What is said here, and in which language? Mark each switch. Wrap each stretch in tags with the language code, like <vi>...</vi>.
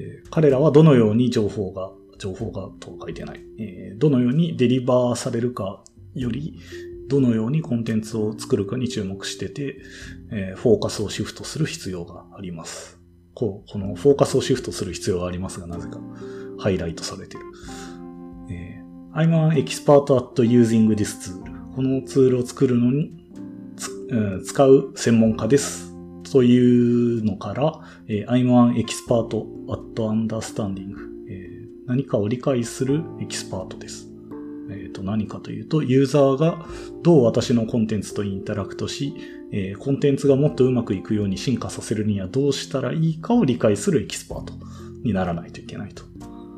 <ja>彼らはどのように情報がと書いてない、どのようにデリバーされるかより、どのようにコンテンツを作るかに注目してて、フォーカスをシフトする必要があります。このフォーカスをシフトする必要がありますが、なぜかハイライトされている。</ja> <en>I'm an expert at using this tool.</en> <ja>このツールを作るのに、使う専門家です。というのから、</ja> <en>I'm an expert at understanding.</en> <ja>何かを理解するエキスパートです。何かというと、ユーザーがどう私のコンテンツとインタラクトし、コンテンツがもっとうまくいくように進化させるにはどうしたらいいかを理解するエキスパートにならないといけないと。</ja>